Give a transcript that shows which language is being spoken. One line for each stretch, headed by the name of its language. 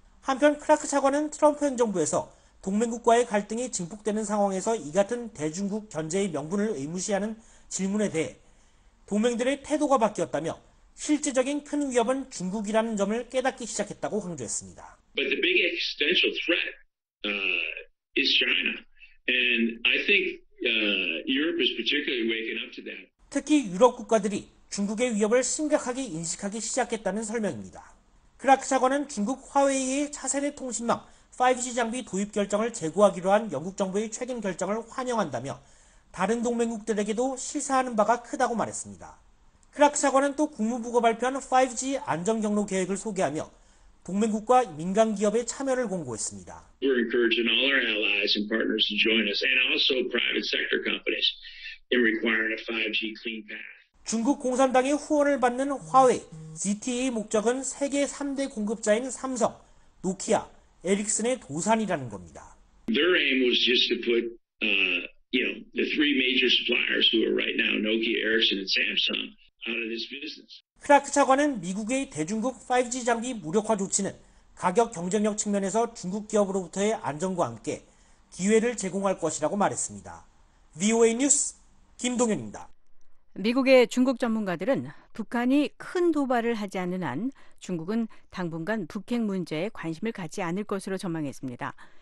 Korean: 한편 크라크 차관은 트럼프 현 정부에서 동맹국과의 갈등이 증폭되는 상황에서 이 같은 대중국 견제의 명분을 의무시하는 질문에 대해 동맹들의 태도가 바뀌었다며 실제적인 큰 위협은 중국이라는 점을 깨닫기 시작했다고 강조했습니다.
English: But the big existential threat is China. And I think Europe is particularly waking up to that.
Korean: 특히 유럽 국가들이 중국의 위협을 심각하게 인식하기 시작했다는 설명입니다. 크라크 차관은 중국 화웨이의 차세대 통신망 5G 장비 도입 결정을 재고하기로 한 영국 정부의 최근 결정을 환영한다며 다른 동맹국들에게도 시사하는 바가 크다고 말했습니다. 크라크 차관은 또 국무부가 발표한 5G 안전 경로 계획을 소개하며 동맹국과 민간 기업의 참여를 공고했습니다.
English: We're encouraging all our allies and partners to join us and also private sector companies in requiring a 5G clean path.
Korean: 중국 공산당의 후원을 받는 화웨이, ZTE의 목적은 세계 3대 공급자인 삼성, 노키아, 에릭슨의 도산이라는 겁니다.
English: Their aim was just to put, the three major suppliers who are right now Nokia, Ericsson, and Samsung out of this business.
Korean: 크라크 차관은 미국의 대중국 5G 장비 무력화 조치는 가격 경쟁력 측면에서 중국 기업으로부터의 안정과 함께 기회를 제공할 것이라고 말했습니다. VOA 뉴스 김동현입니다. 미국의 중국 전문가들은 북한이 큰 도발을 하지 않는 한 중국은 당분간 북핵 문제에 관심을 갖지 않을 것으로 전망했습니다.